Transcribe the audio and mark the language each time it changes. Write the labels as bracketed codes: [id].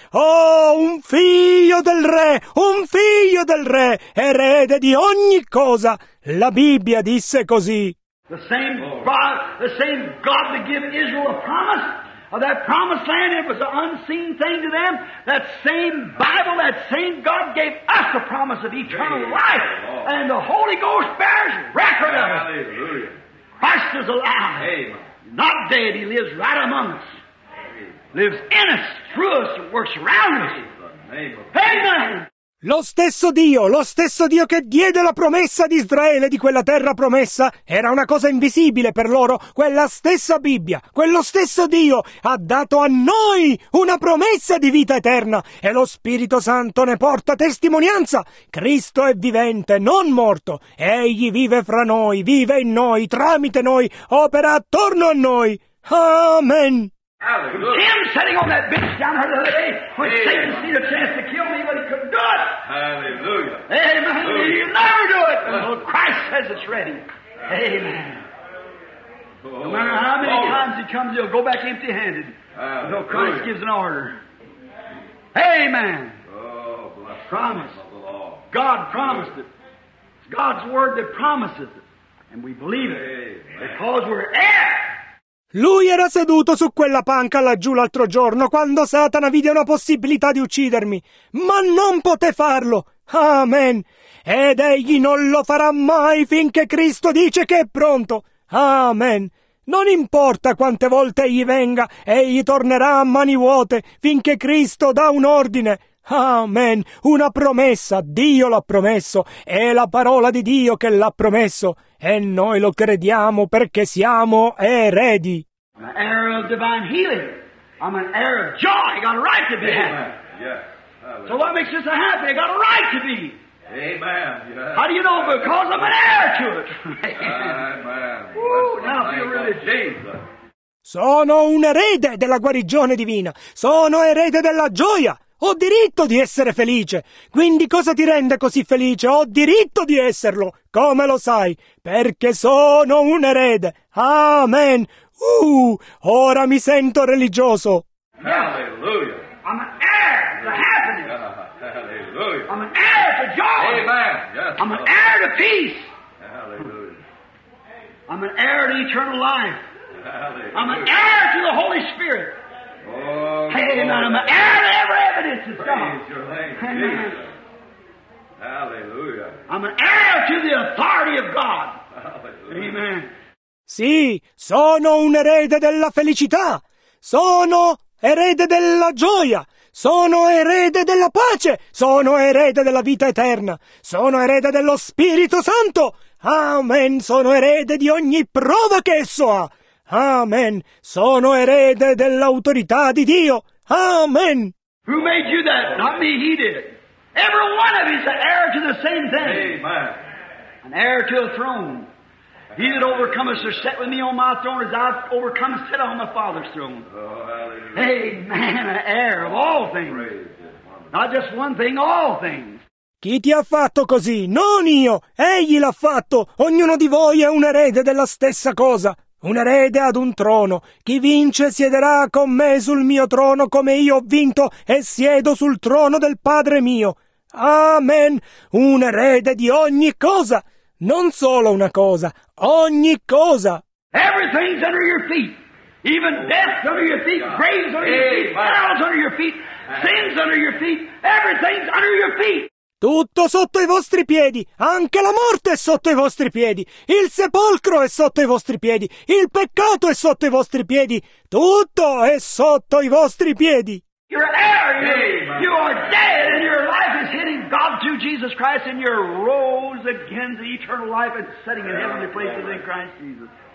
[it] Oh, un figlio del re, un figlio del re, erede di ogni cosa. La Bibbia disse così. [en] The same God that gave Israel a promise. Of that promised land, it was an unseen thing to them. That same Bible, that same God gave us the promise of eternal life. Lord. And the Holy Ghost bears record of it. Hallelujah. Christ is alive. Amen. Not dead. He lives right among us. Lives in us, through us, and works around us. Amen. [it] Lo stesso Dio, che diede la promessa di Israele, di quella terra promessa, era una cosa invisibile per loro, quella stessa Bibbia, quello stesso Dio ha dato a noi una promessa di vita eterna e lo Spirito Santo ne porta testimonianza. Cristo è vivente, non morto. Egli vive fra noi, vive in noi, tramite noi, opera attorno a noi. Amen. [en] Hallelujah. Him sitting on that bench down there the other day when Amen. Satan seen a chance to kill me, but he couldn't do it. Hallelujah. Amen. Hallelujah. He'll never do it until Christ says it's ready. Amen. Oh, no matter how many times he comes, he'll go back empty handed. No, Christ gives an order. Amen. Oh, bless promise. The Lord. God promised it. It's God's word that promises it. And we believe it. Amen. Because we're heirs. [it] Lui era seduto su quella panca laggiù l'altro giorno, quando Satana vide una possibilità di uccidermi. Ma non poté farlo. Amen. Ed egli non lo farà mai finché Cristo dice che è pronto. Amen. Non importa quante volte egli venga, egli tornerà a mani vuote finché Cristo dà un ordine. Amen. Una promessa. Dio l'ha promesso. È la parola di Dio che l'ha promesso. E noi lo crediamo perché siamo eredi. [en] I'm an heir of divine healing. I'm an heir of joy. I got a right to be happy. Yes. So what makes you so happy? I got a right to be. Amen. Yes. How do you know? Because I'm an heir to it. Amen. Woo, now feel religious. [it] Sono un erede della guarigione divina. Sono erede della gioia. Ho diritto di essere felice. Quindi cosa ti rende così felice? Ho diritto di esserlo. Come lo sai? Perché sono un erede. Amen. Ora mi sento religioso. [en] Hallelujah. I'm an heir to happiness. Hallelujah. I'm an heir to joy. Amen. Yes, I'm an heir to peace. Hallelujah. I'm an heir to eternal life. Hallelujah. I'm an heir to the Holy Spirit. Oh, hey, amen. I'm an heir to every evidence of Praise God. Your name, amen. Jesus. Hallelujah. I'm an heir to the authority of God. Hallelujah. Amen. [it] Sì, sono un erede della felicità. Sono erede della gioia. Sono erede della pace. Sono erede della vita eterna. Sono erede dello Spirito Santo. Amen. Sono erede di ogni prova che esso ha. Amen. Sono erede dell'autorità di Dio. Amen. [en] Who made you that? Not me, he did. Every one of you is an heir to the same thing. Amen. An heir to a throne. He that overcometh shall sit with me on my throne as I've overcome sit on my Father's throne. Oh, hallelujah. Amen. An heir of all things. Not just one thing, all things. [it] Chi ti ha fatto così? Non io. Egli l'ha fatto. Ognuno di voi è un erede della stessa cosa. un erede ad un trono. Chi vince siederà con me sul mio trono, come io ho vinto e siedo sul trono del Padre mio. Amen. Un erede di ogni cosa, non solo una cosa, ogni cosa. [en] Everything's under your feet. Even death's under your feet, graves under your feet, hell's under your feet, sin's under your feet, everything's under your feet. [it] Tutto sotto i vostri piedi, anche la morte è sotto i vostri piedi, il sepolcro è sotto i vostri piedi, il peccato è sotto i vostri piedi, tutto è sotto i vostri piedi. [en] You're arrogant. You are dead and your life is hitting God through Jesus Christ and you're rose again to eternal life and setting in heavenly places in Christ Jesus.